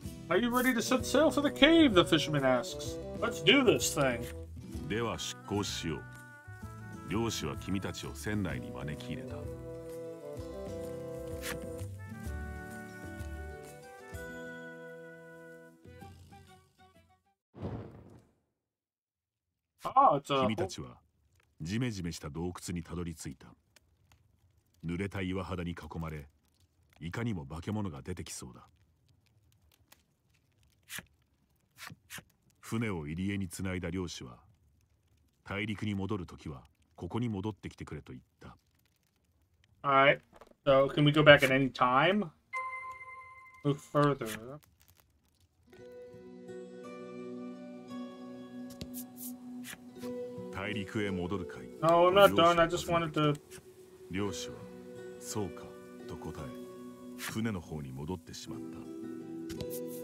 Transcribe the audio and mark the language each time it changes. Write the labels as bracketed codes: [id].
[en] Are you ready to set sail for the cave? The fisherman asks. Let's do this thing. [ja] では執行しよう。漁師は君たちを船内に招き入れた。君たちはジメジメした洞窟にたどり着いた。濡れた岩肌に囲まれ、いかにも化け物が出てきそうだ。船を入り江につないだ漁師は、大陸に戻るときはここに戻ってきてくれと言った。 [en] Alright, so can we go back at any time? Look further. No, I'm not done. I just wanted to. [ja] 漁師は、そうかと答え、船の方に戻ってしまった。